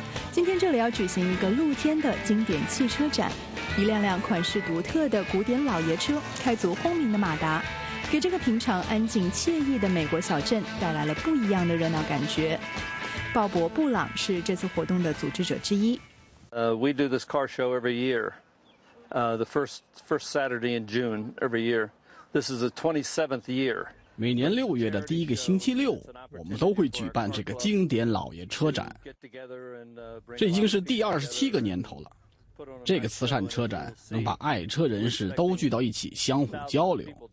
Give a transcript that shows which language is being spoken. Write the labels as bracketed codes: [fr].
[zh] 今天这里要举行一个露天的经典汽车展，一辆辆款式独特的古典老爷车开足轰鸣的马达，给这个平常安静惬意的美国小镇带来了不一样的热闹感觉。鲍勃·布朗是这次活动的组织者之一。 [en] We do this car show every year, the first Saturday in June every year. This is the 27th year. [zh] 每年六月的第一个星期六，我们都会举办这个经典老爷车展。这已经是第27个年头了。这个慈善车展能把爱车人士都聚到一起，相互交流。